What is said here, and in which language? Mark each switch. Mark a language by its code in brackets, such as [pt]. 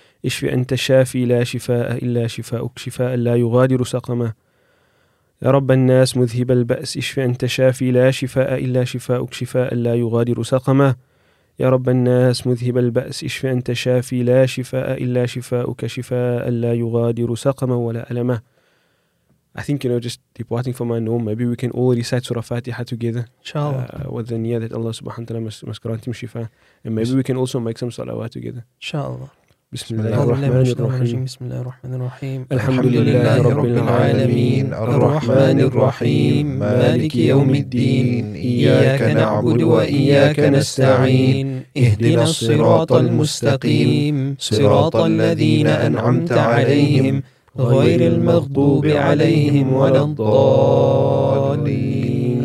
[ar] اشف أنت الشافي لا شفاء إلا شفاءك شفاء لا يغادر سقما. يا رب الناس مذهب البأس. اشف أنت الشافي لا شفاء إلا شفاءك شفاء لا يغادر سقما. يا رب الناس مذهب البأس. اشف أنت الشافي لا شفاء إلا شفاءك شفاء لا يغادر سقما ولا ألما. [en] I think, you know, just departing from my norm, maybe we can all recite Surah Fatiha together. Inshallah. With the niyyah that Allah subhanahu wa ta'ala must grant him shifa. And maybe we can also make some salawat together. Inshallah. [ar] بسم الله الرحمن الرحيم الحمد لله رب العالمين الرحمن الرحيم مالك يوم الدين إياك نعبد وإياك نستعين اهدنا الصراط المستقيم صراط الذين أنعمت عليهم غير المغضوب عليهم ولا الضالين